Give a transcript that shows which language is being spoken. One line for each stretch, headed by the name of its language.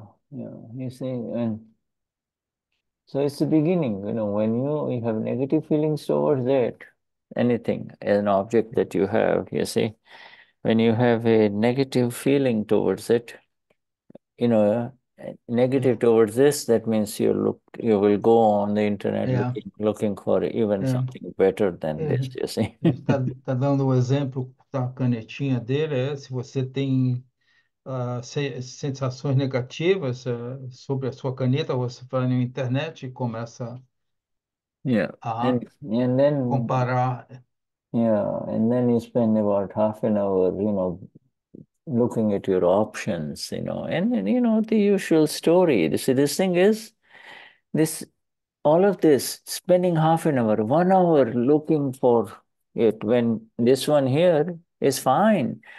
English: You see, and so it's the beginning, you know, when you have negative feelings towards that, anything, an object that you have, you see, when you have a negative feeling towards it, you know, negative towards this, that means you will go on the internet looking for even something better than this, you see.
Portuguese: Ele tá dando o um exemplo da canetinha dele. Se você tem sensações negativas sobre a sua caneta, você vai na internet e começa a comparar.
English: And then you spend about half an hour, you know, looking at your options, you know, and you know, the usual story. You see, this thing is this all of this spending half an hour, 1 hour looking for it when this one here is fine.